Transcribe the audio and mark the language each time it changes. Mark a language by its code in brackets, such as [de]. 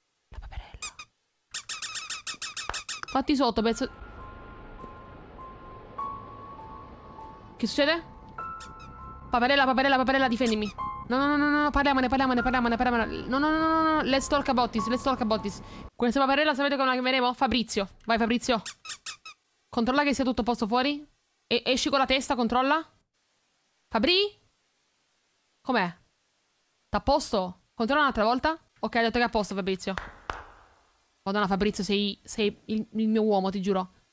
[it] La paperella. Fatti sotto, pezzo... Che succede? Paperella, difendimi. No, no, no, no, no, parliamone, parliamone, parliamone, parliamone. [en] No, no, no, no, no, no, let's talk about this, let's talk about this. [it] Questa paperella sapete come la chiameremo? Fabrizio. Vai, Fabrizio. Controlla che sia tutto a posto fuori. E esci con la testa, controlla. Fabri? Com'è? T'ha a posto? Controlla un'altra volta. Ok, ha detto che è a posto, Fabrizio. Madonna, Fabrizio, sei il mio uomo, ti giuro.